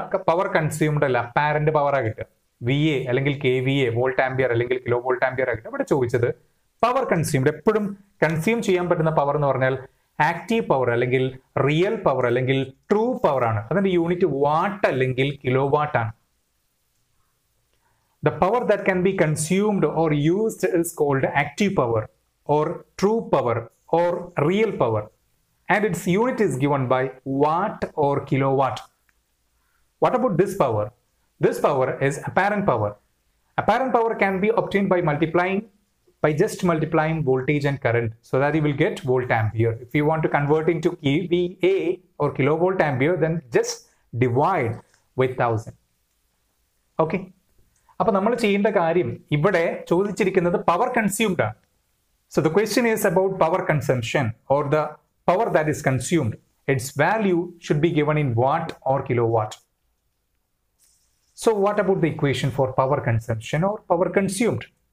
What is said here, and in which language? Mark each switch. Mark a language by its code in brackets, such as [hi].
[ml] Power consumed അല്ല, apparent പവറാ കിട്ടുക. VA അല്ലെങ്കിൽ KVA, വോൾട്ട് ആമ്പിയർ അല്ലെങ്കിൽ കിലോ വോൾട്ട് ആമ്പിയർ ആയിട്ട്. ഇവിടെ ചോദിച്ചത് പവർ കൺസ്യൂംഡ്, എപ്പോഴും കൺസ്യൂം ചെയ്യാൻ പറ്റുന്ന പവർ എന്ന് പറഞ്ഞാൽ ആക്റ്റീവ് പവർ അല്ലെങ്കിൽ റിയൽ പവർ അല്ലെങ്കിൽ ട്രൂ പവർ ആണ്. അതിന്റെ യൂണിറ്റ് വാട്ട് അല്ലെങ്കിൽ കിലോ വാട്ട് ആണ്. [en] The power that can be consumed or used is called active power or true power or real power. And its unit is given by watt or kilowatt. What about this power? This power is apparent power. Apparent power can be obtained by multiplying, by just multiplying voltage and current. So that you will get volt ampere. If you want to convert into kVA or kilovolt ampere, then just divide with 1000. Okay. [ml] അപ്പൊ നമ്മൾ ചെയ്യേണ്ട കാര്യം ഇവിടെ ചോദിച്ചിരിക്കുന്നത് power consumed ആണ്. [en] So the question is about power consumption or the power that is consumed. Its value should be given in watt or kilo watt. So what about the equation for power consumption or power consumed?